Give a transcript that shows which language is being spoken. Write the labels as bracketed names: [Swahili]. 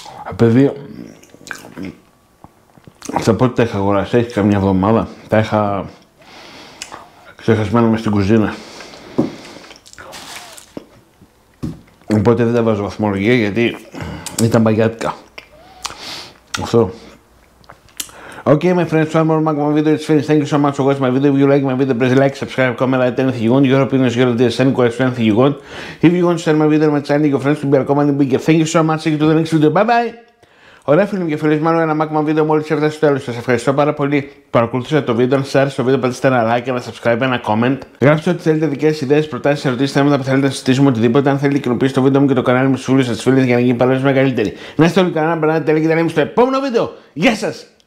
[Greek] Επειδή σε πότε τα είχα αγοράσει, έχει καμιά εβδομάδα, τα είχα ξεχασμένα μες στην κουζίνα. Οπότε δεν τα βάζω βαθμολογία γιατί ήταν μπαγιάτικα. Αυτό. [English] Okay, my friends, one more magma video, it's finished. Thank you so much for watching my video. If you like my video, please like, subscribe, comment, like, anything you want. Your opinion is your idea, send questions, anything you want. If you want to share my video, my channel, your friends, to be a comment, be give. Thank you so much. See you to the next video. Bye-bye. [Greek] Ωραία φίλοι μου και φίλοι, μάλλον ένα μάκμα βίντεο μόλις έρθει στο τέλος. Σας ευχαριστώ πάρα πολύ που παρακολουθήσατε το βίντεο. Αν σας άρεσε το βίντεο, πατήστε ένα like, ένα subscribe, ένα comment. Γράψτε ό,τι θέλετε, δικές ιδέες, προτάσεις, ερωτήσεις, θέματα που θέλετε να συζητήσουμε, οτιδήποτε. Αν θέλετε, κοινοποιήστε το βίντεο μου και το κανάλι μου στους φίλους σας, για να γίνει παρέμβαση μεγαλύτερη. Να είστε όλοι καλά, να περνάτε τέλεια και τα λέμε στο επόμενο βίντεο. Γεια σας!